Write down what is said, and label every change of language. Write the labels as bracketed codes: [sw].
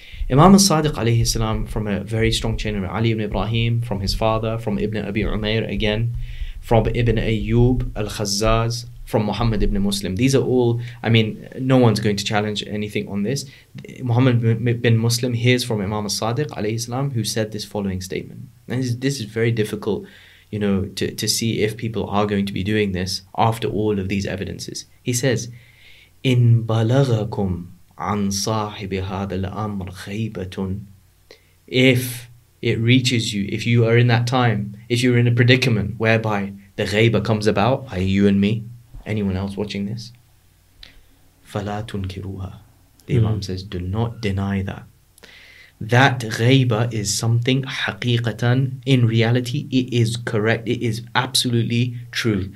[en] Imam al-Sadiq alayhi salam, from a very strong chain of Ali ibn Ibrahim, from his father, from Ibn Abi Umair again, from Ibn Ayyub al-Khazzaz, from Muhammad ibn Muslim. These are all, I mean, no one's going to challenge anything on this. Muhammad ibn Muslim hears from Imam al-Sadiq alayhi salam, who said this following statement. And this is very difficult, you know, to see if people are going to be doing this after all of these evidences. He says, [ar] إِن بَلَغَكُمْ عَن صَاحِبِ هَذَا الْأَمْرِ خَيْبَةٌ. [en] If it reaches you, if you are in that time, if you're in a predicament whereby the ghaibah comes about, by you and me, anyone else watching this, [ar] فَلَا تُنْكِرُوهَا. [en] The Imam says, do not deny that. That ghaibah is something haqiqatan, in reality, it is correct, it is absolutely true.